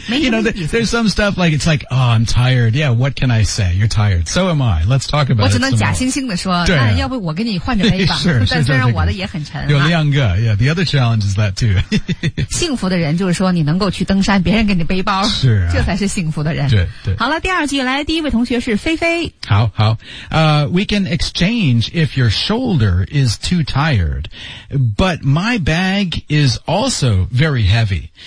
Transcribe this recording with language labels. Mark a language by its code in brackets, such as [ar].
[en] You know, there's some stuff like, it's like, oh, I'm tired. Yeah, what can I say? You're tired. So am I. Let's talk about it some more. [zh] 我只能假惺惺地说、啊、要不我跟你换着背吧。 [en] Sure, [zh] 但虽然我的也很沉。有两个 [en] yeah, the other challenge is that too. [zh] 幸福的人就是说你能够去登山别人给你背包。是、啊。这才是幸福的人。对对。好了第二句来第一位同学是菲菲。好好。 [en] We can exchange if your shoulder is too tired, but my bag is also very heavy.